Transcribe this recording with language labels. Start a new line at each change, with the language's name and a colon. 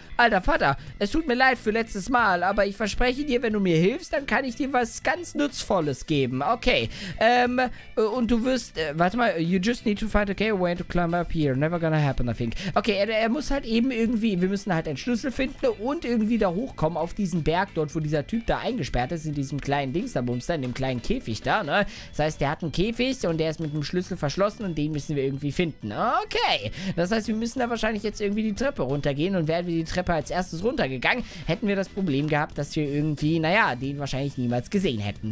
German: Alter Vater, es tut mir leid für letztes Mal, aber ich verspreche dir, wenn du mir hilfst, dann kann ich dir was ganz Nutzvolles geben. Okay, und du wirst... warte mal,
English: you just need to find a gay way to climb up here. Never gonna happen, I think.
German: Okay, er muss halt eben irgendwie... Wir müssen halt einen Schlüssel finden und irgendwie da hochkommen auf diesen Berg dort, wo dieser Typ da eingesperrt ist, in diesem kleinen Dingsabumster, in dem kleinen Käfig da, ne? Das heißt, der hat einen Käfig und der ist mit einem Schlüssel verschlossen und den müssen wir irgendwie finden. Okay, das heißt, wir müssen aber wahrscheinlich jetzt irgendwie die Treppe runtergehen und wären wir die Treppe als erstes runtergegangen, hätten wir das Problem gehabt, dass wir irgendwie, naja, den wahrscheinlich niemals gesehen hätten.